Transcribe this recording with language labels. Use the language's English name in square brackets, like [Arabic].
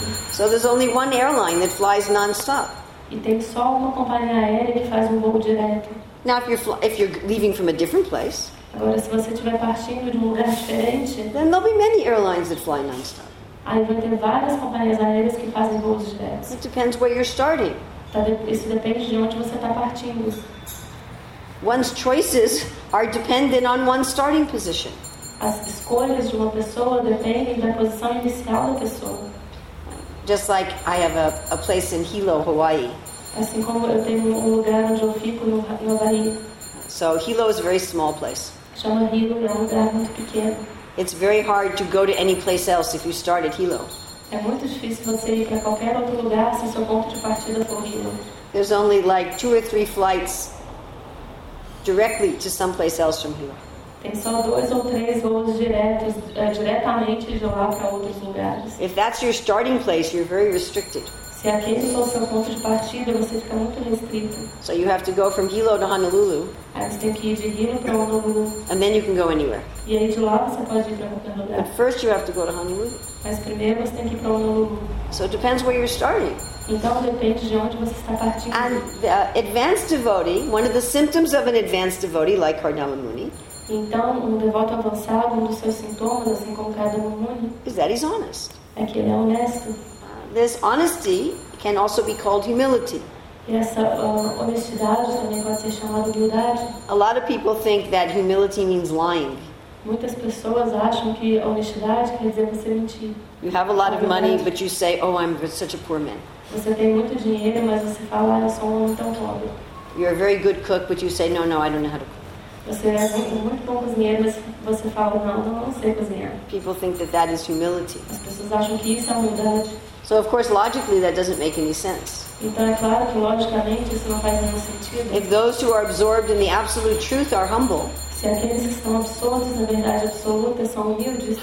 [English] So there's only one airline that flies non-stop. [Portuguese] E tem só uma companhia aérea que faz um voo direto. [English] Now, if you're leaving from a different place, [Portuguese] agora, se você estiver partindo de um lugar diferente, [English] then there'll be many airlines that fly non-stop. [Portuguese] Aí vai ter várias companhias aéreas que fazem voos diretos. [English] It depends where you're starting. [Portuguese] Isso depende de onde você está partindo. [English] One's choices are dependent on one's starting position. [Portuguese] As escolhas de uma pessoa dependem da posição inicial da pessoa. [English] Just like I have a place in Hilo, Hawaii. [Portuguese] Assim como eu tenho um lugar onde eu fico no Havaí. [English] So Hilo is a very small place. [Portuguese] Chama Hilo, é um lugar muito pequeno. [English] It's very hard to go to any place else if you start at Hilo. [Portuguese] É muito difícil você ir para qualquer outro lugar se seu ponto de partida for Hilo. [English] There's only like two or three flights directly to someplace else from Hilo. [Portuguese] Tem só dois ou três voos diretos, diretamente de lá para outros lugares. [English] If that's your starting place, you're very restricted. [Portuguese] Se aquele for seu ponto de partida, você fica muito restrito. [English] So you have to go from Hilo to Honolulu. [Portuguese] Aí você tem que ir de Hilo para Honolulu. [English] And then you can go anywhere. [Portuguese] E aí de lá você pode ir para qualquer lugar. [English] But first you have to go to Honolulu. [Portuguese] Mas primeiro você tem que ir para Honolulu. [English] So it depends where you're starting. [Portuguese] Então depende de onde você está partindo. [English] And the advanced devotee, one of the symptoms of an advanced devotee, like Cardinal Muni. [Portuguese] Então, um devoto avançado, um dos seus sintomas, assim como cada um, [English] is that he's honest. [Portuguese] É que ele é honesto. [English] This honesty can also be called humility. [Portuguese] E essa honestidade também pode ser chamada humildade. [English] A lot of people think that humility means lying. [Portuguese] Muitas pessoas acham que honestidade quer dizer você mentir. [English] You have a lot of money, but you say, oh, I'm such a poor man. [Portuguese] Você tem muito dinheiro, mas você fala, eu sou um homem tão pobre. [English] You're a very good cook, but you say, no, I don't know how to cook. [Portuguese] Você é muito bom cozinheiro, mas você fala, não sei cozinhar. [English] People think that is humility. [Portuguese] As pessoas acham que isso é humildade. [English] So, of course, logically, that doesn't make any sense. [Portuguese] Então, é claro que logicamente isso não faz nenhum sentido. [English] If those who are absorbed in the absolute truth are humble, [Portuguese] se aqueles que estão absortos na verdade absoluta são humildes,